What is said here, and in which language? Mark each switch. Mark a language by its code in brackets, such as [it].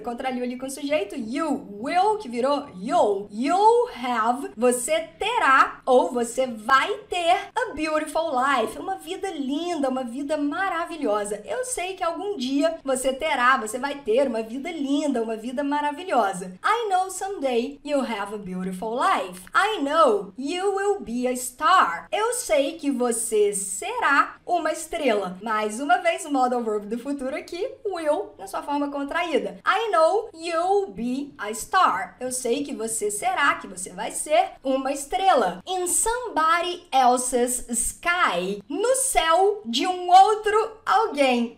[pt] Contraiu ali com o sujeito, [en] you will, [pt] que virou you. [en] You have, [pt] você terá, ou você vai ter, [en] a beautiful life. [pt] Uma vida linda, uma vida maravilhosa. Eu sei que algum dia você terá, você vai ter uma vida linda, uma vida maravilhosa. [en] I know someday you have a beautiful life. I know you will be a star. [pt] Eu sei que você será uma estrela. Mais uma vez, o modal verbo do futuro aqui, will, na sua forma contraída. [en] I know you'll be a star. [pt] Eu sei que você será, que você vai ser uma estrela. [en] In somebody else's sky. [pt] No céu de um outro alguém.